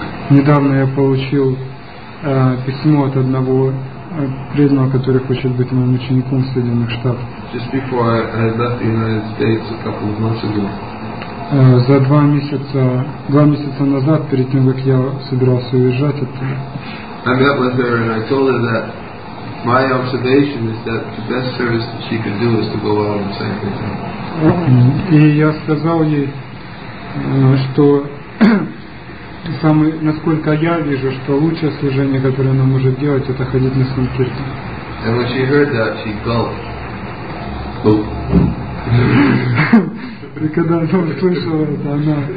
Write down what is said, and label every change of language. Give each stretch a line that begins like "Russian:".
Russian: Недавно я получил письмо от одного преданного, который хочет быть моим учеником в Соединенных Штатах.
English: Just before I left the United States a couple of months ago.
Russian: За два месяца назад, перед тем, как я собирался уезжать оттуда.
English: I met with her and I told her that my observation is that the best service that she could do is to go out and say things.
Russian: И я сказал ей, что самый, насколько я вижу, что лучшее служение, которое она может делать, это ходить на санкиртан.
English: And when she heard that, she gulped.
Russian: И когда она услышала это, она